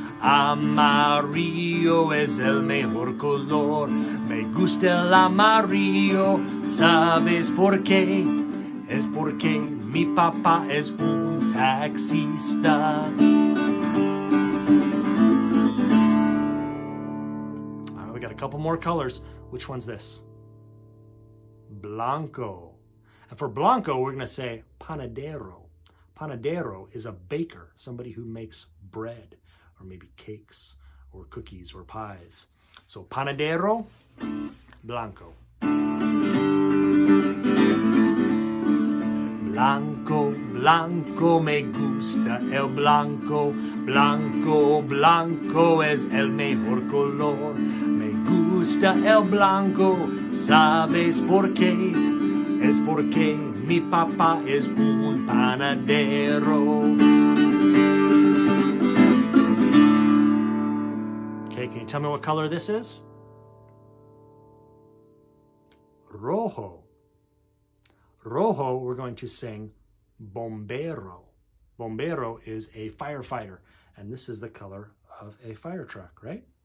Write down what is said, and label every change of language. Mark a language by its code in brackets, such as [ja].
[es] Amarillo es el mejor color. Me gusta el amarillo, ¿sabes por qué? Es porque mi papá es un taxista. [en] All right, we got a couple more colors. Which one's this? Blanco. And for blanco, we're going to say panadero. Panadero is a baker, somebody who makes bread, or maybe cakes, or cookies, or pies. So panadero, blanco. [es] Blanco, blanco, me gusta el blanco. Blanco, blanco es el mejor color. Me gusta el blanco, ¿sabes por qué? Es porque mi papá es un panadero. [en] Okay, can you tell me what color this is? Rojo. Rojo, we're going to sing bombero. Bombero is a firefighter, and this is the color of a fire truck, right?